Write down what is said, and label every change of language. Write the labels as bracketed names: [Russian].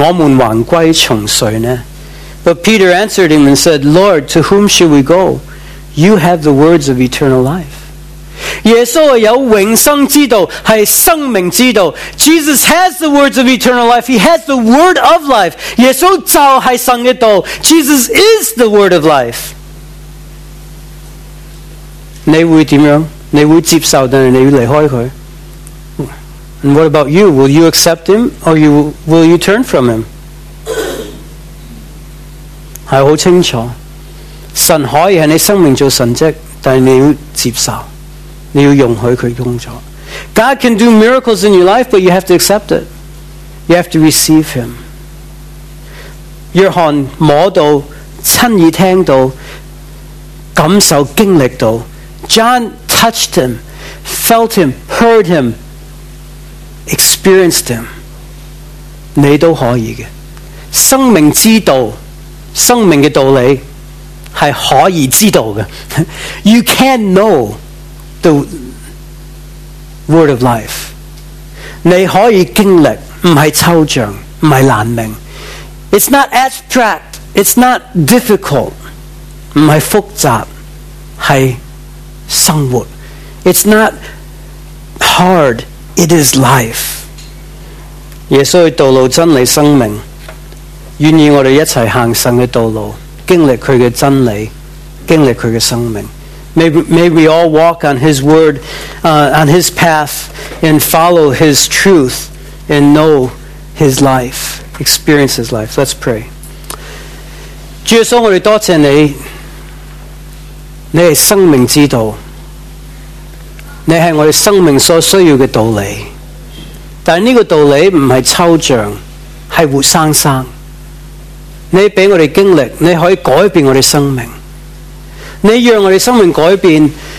[Chinese] 彼得同耶稣讲：主啊，你有永生之道，我们还归从谁呢？ [English] But Peter answered him and said, "Lord, to whom should we go? You have the words of eternal life." [Chinese] 耶稣有永生之道，是生命之道。 [English] Jesus has the words of eternal life. He has the word of life. [Chinese] 耶稣就是神的道。 [English] Jesus is the word of life. [Chinese] 你会怎样? 你会接受的，你会离开他。 [English] And what about you? Will you accept Him or you, will you turn from Him? [Chinese] 是很清楚，神可以在你生命做神迹，但你要接受。 [English] God can do miracles in your life, but you have to accept it. You have to receive Him. [Chinese] 约翰摸到，亲耳听到，感受经历到。 [English] John touched Him, felt Him, heard Him. experienced him. [Chinese] 你都可以的。生命之道，生命的道理是可以知道的。 [English] You can know the word of life. [Chinese] 你可以经历，不是抽象，不是难明。 [English] It's not abstract. It's not difficult. [Chinese] 不是复杂，是生活。 [English] It's not hard. It is life. [Chinese] 耶稣的道路，真理，生命，愿意我们一起行神的道路，经历祂的真理，经历祂的生命。 [English] May we all walk on His word, on His path, and follow His truth, and know His life, experience His life. Let's pray. [Chinese] 主耶稣，我们多谢你，你是生命之道，你是我们生命所需要的道理。但这个道理不是抽象，是活生生。你给我们经历，你可以改变我们生命，你让我们生命改变。